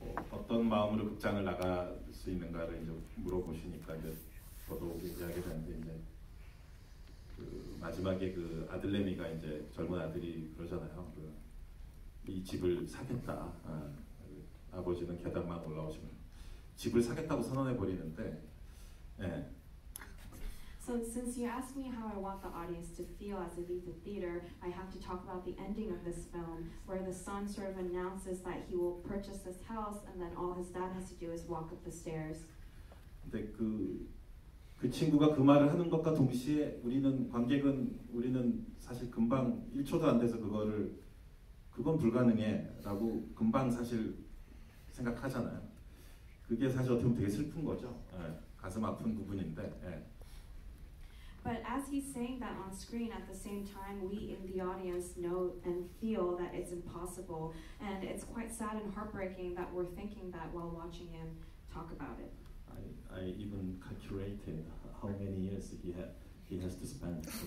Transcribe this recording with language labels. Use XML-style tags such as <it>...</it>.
<ko>어떤 마음으로 극장을 나갈 수 있는가를 이제 물어보시니까 이제 저도 얘기하게 되는데 이제 그 마지막에 그 아들내미가 이제 젊은 아들이 그러잖아요. 그 이 집을 사겠다. 아버지는 계단만 올라오시면 집을 사겠다고 선언해 버리는데. 예.</ko> <en>So since you asked me how I want the audience to feel as they leave the theater, I have to talk about the ending of this film, where the son sort of announces that he will purchase this house, and then all his dad has to do is walk up the stairs.</en> <ko>근데 그 친구가 그 말을 하는 것과 동시에 우리는 관객은 우리는 사실 금방 1초도 안 돼서 그거를 그건 불가능해라고 금방 사실 생각하잖아요. 그게 사실 어떻게 보면 되게 슬픈 거죠. 예, 가슴 아픈 부분인데. 예.</ko> <en>But as he's saying that on screen, at the same time, we in the audience know and feel that it's impossible, and it's quite sad and heartbreaking that we're thinking that while watching him talk about it. I even calculated how many years he has to spend.</en>